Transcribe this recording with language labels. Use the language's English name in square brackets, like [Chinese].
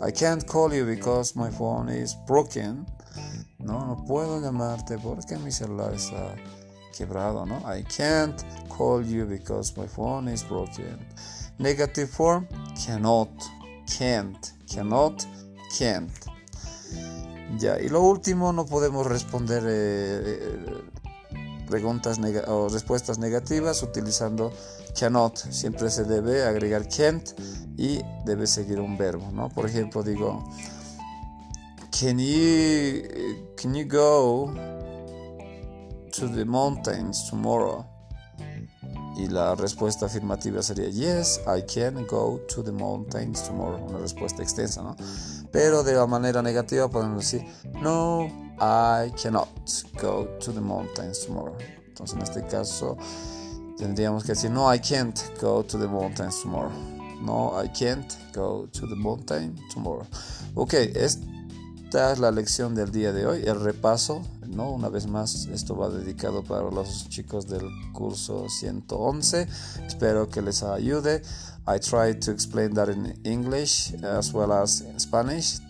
[English] I can't call you because my phone is broken. [Spanish] No, no puedo llamarte porque mi celular está quebrado, ¿no? [English] I can't call you because my phone is broken. Negative form, cannot. Can't. Cannot. Can't. [Spanish] Ya, y lo último, no podemos responder preguntas o respuestas negativas utilizando cannot. Siempre se debe agregar can't y debe seguir un verbo, ¿no? Por ejemplo, digo, [English] can you go to the mountains tomorrow? [Spanish] Y la respuesta afirmativa sería [English] yes, I can go to the mountains tomorrow. [Spanish] Una respuesta extensa, ¿no? Pero de la manera negativa podemos decir no, [English] I cannot go to the mountains tomorrow. [Spanish] Entonces en este caso tendríamos que decir no, [English] I can't go to the mountains tomorrow. No, I can't go to the mountain tomorrow. [Spanish] Ok, esta es la lección del día de hoy, el repaso, ¿no? Una vez más, esto va dedicado para los chicos del curso 111. Espero que les ayude. [English] I tried to explain that in English as well as in Spanish.